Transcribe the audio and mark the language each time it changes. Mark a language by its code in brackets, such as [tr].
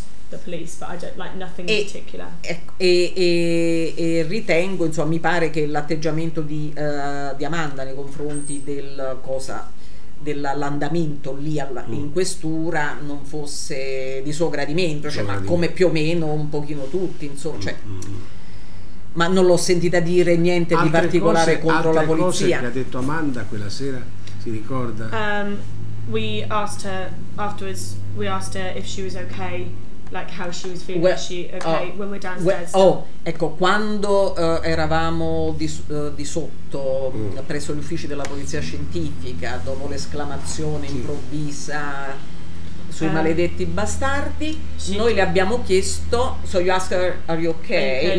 [en] the police, but I don't like nothing in particular. [it] E ritengo, insomma, mi pare che l'atteggiamento di Amanda nei confronti dell'andamento lì in questura non fosse di suo gradimento, cioè, ma come più o meno un pochino tutti, insomma, cioè, ma non l'ho sentita dire niente altre di particolare cose, contro la polizia. Altre cose che ha detto Amanda quella sera, si ricorda? [en] We asked her afterwards. We asked her if she was okay. Like how she was feeling, when we're downstairs. [it] Ecco, quando eravamo di sotto, presso gli uffici della polizia scientifica, dopo l'esclamazione improvvisa sui maledetti bastardi, noi le abbiamo chiesto, [en] so you ask her, are you okay?